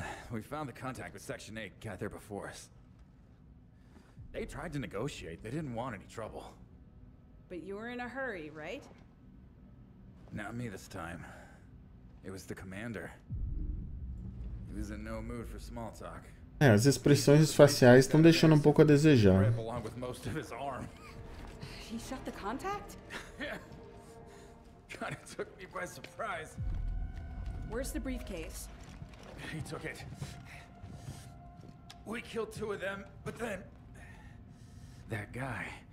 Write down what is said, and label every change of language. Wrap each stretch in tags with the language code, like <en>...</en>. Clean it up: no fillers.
<en>We found the contact with Section 8, got there before us. They tried to negotiate, they didn't want any trouble. But you were in a hurry, right? Not me this time. It was the commander. He was in no mood for small talk.</en> <pt>É, as expressões faciais estão deixando um pouco a desejar.</pt> <en>Along with most of his arm. He shut the contact? Yeah. Kinda took me by surprise. Where's the briefcase? He took it. We killed two of them, but then that guy.</en>